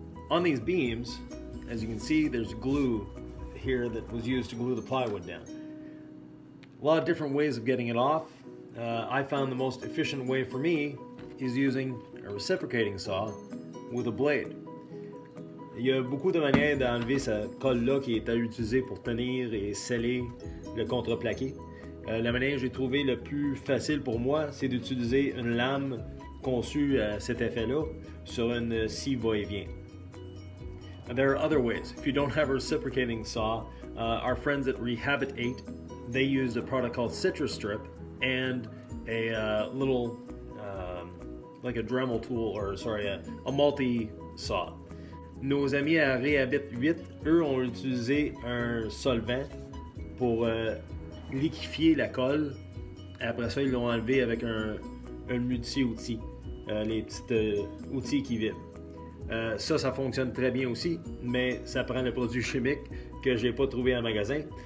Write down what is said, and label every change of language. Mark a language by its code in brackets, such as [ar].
[en] On these beams, as you can see, there's glue here that was used to glue the plywood down. A lot of different ways of getting it off. I found the most efficient way for me is using a reciprocating saw with a blade. [fr] Il y a beaucoup de manières d'enlever cette colle-là qui est à utiliser pour tenir et sceller le contreplaqué. La manière que j'ai trouvé la plus facile pour moi, c'est d'utiliser une lame conçue à cet effet-là sur une scie va-et-vient. [en] There are other ways. If you don't have a reciprocating saw, our friends at Rehabit 8, they used a product called citrus strip and a little, like a Dremel tool, or sorry, a multi-saw. [fr] Nos amis à Rehabit 8, eux, ont utilisé un solvant pour liquifier la colle. Après ça, ils l'ont enlevé avec un multi-outil, les petits outils qui vibrent. Ça fonctionne très bien aussi, mais ça prend le produit chimique que j'ai pas trouvé en magasin.